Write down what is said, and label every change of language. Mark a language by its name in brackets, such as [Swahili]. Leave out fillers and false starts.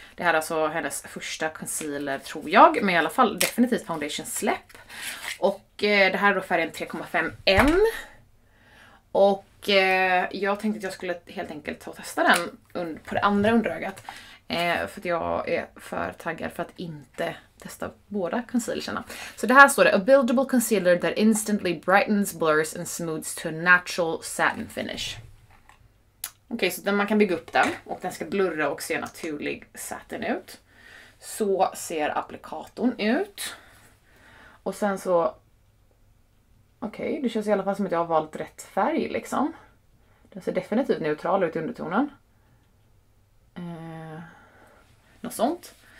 [Swedish] Det här är alltså hennes första concealer tror jag. Men i alla fall definitivt foundation släpp. Och det här är då färgen 3,5N. Och jag tänkte att jag skulle helt enkelt ta och testa den på det andra underögat. För att jag är för taggad för att inte testa båda concealerna. Så det här står det. [English] A buildable concealer that instantly brightens, blurs and smooths to a natural satin finish. [Swedish] Okej, okay, så den, man kan bygga upp den. Och den ska blurra och se naturlig satin ut. Så ser applikatorn ut. Och sen så... Okej, okay, det känns i alla fall som att jag har valt rätt färg, liksom. Den ser definitivt neutral ut i undertonen. Något sånt.